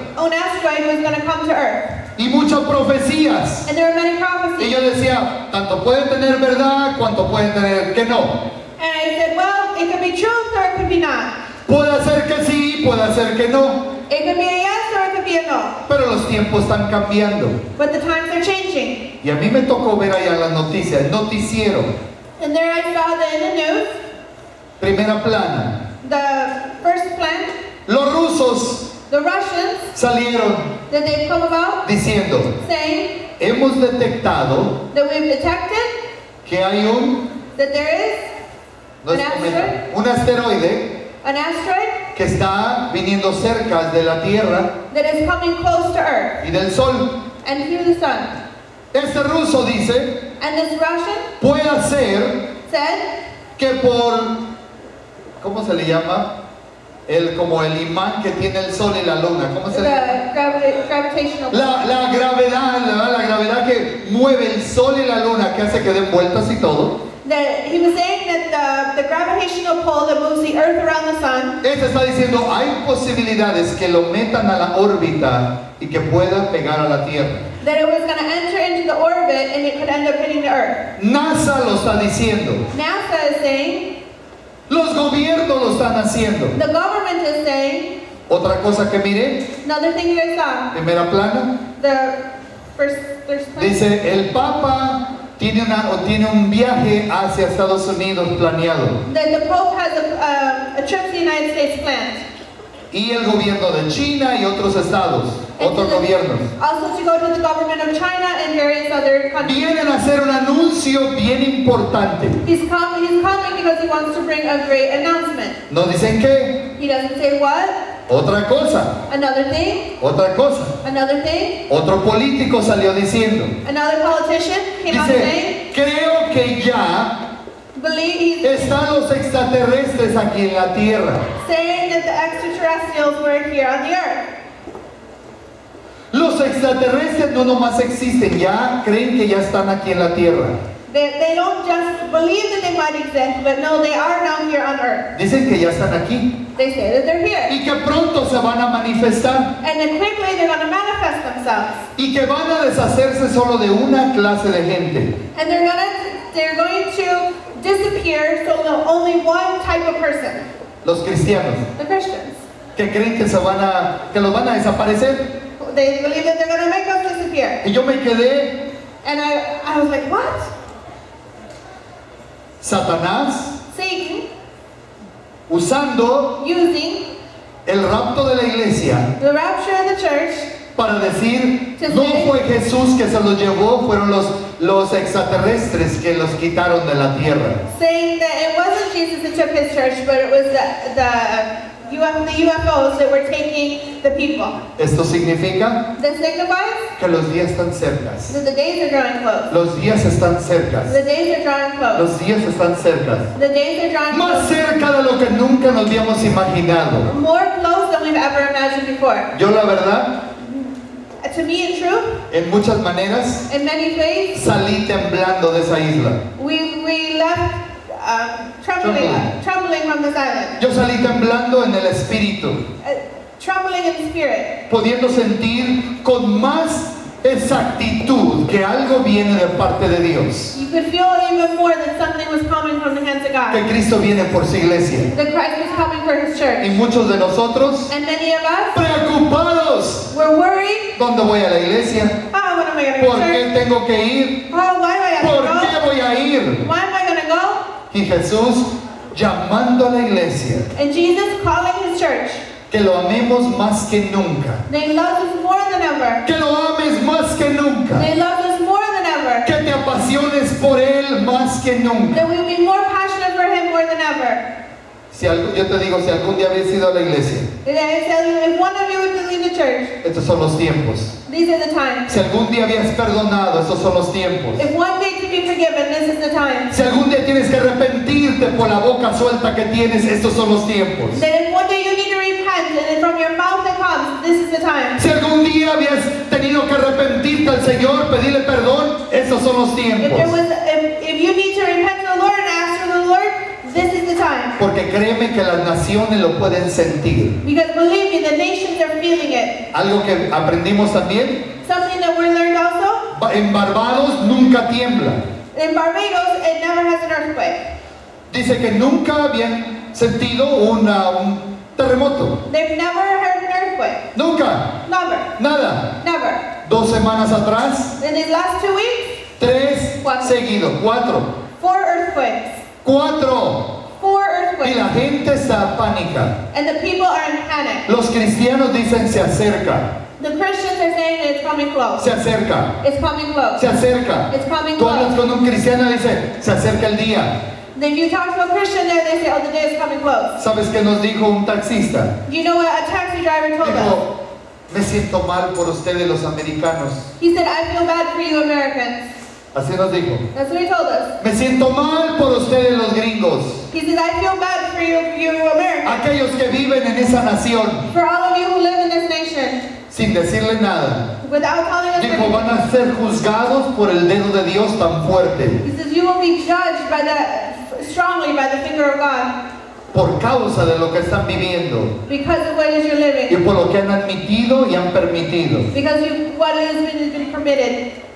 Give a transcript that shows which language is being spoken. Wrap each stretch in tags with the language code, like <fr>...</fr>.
<en>An asteroid was going to come to Earth.</en> <es>Y muchas profecías.</es> <en>And there were many prophecies.</en> <es>Y yo decía, tanto puede tener verdad, cuanto puede tener que no.</es> <en>And I said, well, it could be truth or it could be not.</en> <es>Puede ser que sí, puede ser que no.</es> <en>It could be a yes or it could be a no.</en> <es>Pero los tiempos están cambiando.</es> <en>But the times are changing.</en> <es>Y a mí me tocó ver allá las noticias, el noticiero.</es> <en>And there I saw that in the news.</en> <es>Primera plana.</es> <en>The first plan.</en> <es>Los rusos.</es> <en>The Russians.</en> <es>Salieron.</es> <en>That they've come about.</en> <es>Diciendo.</es> <en>Saying.</en> <es>Hemos detectado.</es> <en>That we've detected.</en> <es>Que hay un.</es> <en>That there is.</en> <es>No es un asteroide.</es> <en>An asteroid.</en> <es>Que está viniendo cerca de la Tierra.</es> <en>That is coming close to Earth.</en> <es>Y del Sol.</es> <en>And through the sun.</en> <es>Este ruso dice.</es> <en>And this Russian.</en> <es>Puede ser.</es> <en>Said.</en> <es>Que por. ¿Cómo se le llama? El, como el imán que tiene el Sol y la Luna. ¿Cómo se</es> <en>the</en> <es>le llama?</es> <en>Gravitational.</en> <es>La gravedad, ¿verdad? La gravedad que mueve el Sol y la Luna, que hace que den vueltas y todo.</es> <en>That he was saying that the gravitational pull that moves the Earth around the sun.</en> <es>Este está diciendo hay posibilidades que lo metan a la órbita y que pueda pegar a la Tierra.</es> <en>That it was going to enter into the orbit and it could end up hitting the Earth.</en> <es>NASA lo está diciendo.</es> <en>NASA is saying.</en> <es>Los gobiernos lo están haciendo.</es> <en>The government is saying.</en> <es>Otra cosa que miré.</es> <en>Another thing that I saw.</en> <es>Primera plana.</es> <en>The first plan.</en> <es>Dice el Papa. Tiene un viaje hacia Estados Unidos planeado.</es> <en>The Pope has a trip to the United States planned.</en> <es>Y el gobierno de China y otros estados,</es> <en>and</en> <es>otros gobiernos.</es> <en>Also to go to the government of China and various other countries.</en> <es>Vienen a hacer un anuncio bien importante.</es> <en>He's coming because he wants to bring a great announcement.</en> <es>¿No dicen qué?</es> <en>He doesn't say what.</en> <es>Otra cosa.</es> <en>Another thing.</en> <es>Otra cosa.</es> <en>Another thing.</en> <es>Otro político salió diciendo.</es> <en>Another politician came</en> <es>dice,</es> <en>out saying.</en> <es>Creo que ya.</es> <en>Believe he's.</en> <es>Están los extraterrestres aquí en la Tierra.</es> <en>Saying that the extraterrestrials were here on the Earth.</en> <es>Los extraterrestres no nomás existen, ya creen que ya están aquí en la Tierra.</es> <en>They don't just believe that they might exist, but no, they are now here on Earth.</en> <es>Dicen que ya están aquí.</es> <en>They say that they're here.</en> <es>Y que pronto se van a manifestar.</es> <en>And then quickly they're going to manifest themselves.</en> <es>Y que van a deshacerse solo de una clase de gente.</es> <en>And they're going to disappear, so only one type of person.</en> <es>Los cristianos.</es> <en>The Christians.</en> <es>Que creen que los van a desaparecer.</es> <en>They believe that they're going to make us disappear.</en> <es>Y yo me quedé.</es> <en>And I was like, what?</en> <es>Satanás,</es> <en>Satan,</en> <es>usando</es> <en>using</en> <es>el rapto de la iglesia,</es> <en>the rapture of the church,</en> <es>para decir no fue Jesús que se los llevó, fueron los extraterrestres que los quitaron de la tierra.</es> <en>Saying that it wasn't Jesus that took his church, but it was the the UFOs that were taking the people.</en> <es>Esto significa.</es> <en>This signifies.</en> <es>Que los días están cerca.</es> <en>That the days are drawing close.</en> <es>Los días están cerca.</es> <en>The days are drawing close.</en> <es>Los días están cerca.</es> <en>The days are drawing</en> <es>más</es> <en>close.</en> <es>Cerca de lo que nunca nos habíamos imaginado.</es> <en>More close than we've ever imagined before.</en> <es>Yo la verdad.</es> <en>To me, in truth.</en> <es>En muchas maneras.</es> <en>In many ways.</en> <es>Salí temblando de esa isla.</es> <en>We left. Trembling from this island.</en> <es>Yo salí temblando en el espíritu.</es> <en>Trembling in the spirit.</en> <es>Pudiendo sentir con más exactitud que algo viene de parte de Dios.</es> <en>You could feel even more that something was coming from the hands of God.</en> <es>Que Cristo viene por su iglesia.</es> <en>That Christ was coming for his church.</en> <es>Y muchos de nosotros.</es> <en>And many of us.</en> <es>Preocupados.</es> <en>We're worried.</en> <es>¿Dónde voy a la iglesia?</es> <en>Oh, when am I going to go?</en> <es>¿Por qué tengo que ir?</es> <en>Oh, why do I have to go?</en> <es>¿Por qué voy a ir?</es> <en>Why am I going to go?</en> <es>Y Jesús llamando a la iglesia.</es> <en>And Jesus calling his church.</en> <es>Que lo amemos más que nunca.</es> <en>They love us more than ever.</en> <es>Que lo ames más que nunca.</es> <en>They love us more than ever.</en> <es>Que te apasiones por él más que nunca.</es> <en>That we will be more passionate for him more than ever.</en> <es>Si algo, yo te digo, si algún día habías ido a la iglesia.</es> <en>If one of you would leave the church.</en> <es>Estos son los tiempos.</es> <en>These are the times.</en> <es>Si algún día habías perdonado, estos son los tiempos.</es> <en>If one day to be forgiven, this is the time.</en> <es>Si algún día tienes que arrepentirte por la boca suelta que tienes, estos son los tiempos.</es> <en>Then if one day you need to repent and from your mouth it comes, this is the time.</en> <es>Si algún día habías tenido que arrepentirte al Señor, pedirle perdón, estos son los tiempos.</es> <en>If you need to repent to the Lord and ask for the Lord, this is the time.</en> <es>Porque créeme que las naciones lo pueden sentir.</es> <en>Because believe me, the nations are feeling it.</en> <es>Algo que aprendimos también.</es> <en>Something that we learned also.</en> <es>En Barbados nunca tiembla.</es> <en>In Barbados, it never has an earthquake.</en> <es>Dice que nunca habían sentido un terremoto.</es> <en>They've never heard an earthquake.</en> <es>Nunca.</es> <en>Never.</en> <es>Nada.</es> <en>Never.</en> <es>Dos semanas atrás.</es> <en>In the last 2 weeks.</en> <es>Tres. Cuatro. Seguido. Cuatro.</es> <en>Four earthquakes.</en> <es>Cuatro.</es> <en>Four earthquakes.</en> <es>Y la gente está pánica.</es> <en>And the people are in panic.</en> <es>Los cristianos dicen se acerca.</es> <en>The Christians are saying it's coming close.</en> <es>Se acerca.</es> <en>It's coming close.</en> <es>Se acerca.</es> <en>It's coming close.</en> <es>Tú hablas con un cristiano y dice se acerca el día.</es> <en>Then you talk to a Christian there, they say, oh, the day is coming close.</en> <es>¿Sabes qué nos dijo un taxista?</es> <en>You know what a taxi driver told</en> <es>dijo,</es> <en>us?</en> <es>Me siento mal por ustedes los americanos.</es> <en>He said, I feel bad for you Americans.</en> <es>Así nos dijo.</es> <en>That's what he told us.</en> <es>Me siento mal por ustedes los gringos.</es> <en>He said, I feel bad for you Americans.</en> <es>Aquellos que viven en esa nación.</es> <en>For all of you who live in this nation.</en> <es>Sin decirle nada.</es> <en>Without telling us.</en> <es>Dijo, van a ser juzgados por el dedo de Dios tan fuerte.</es> <en>He says, you will be judged by the strongly by the finger of God.</en> <es>Por causa de lo que están viviendo.</es> <en>Because of what is you're living.</en> <es>Y por lo que han admitido y han permitido.</es> <en>Because of what has been permitted.</en>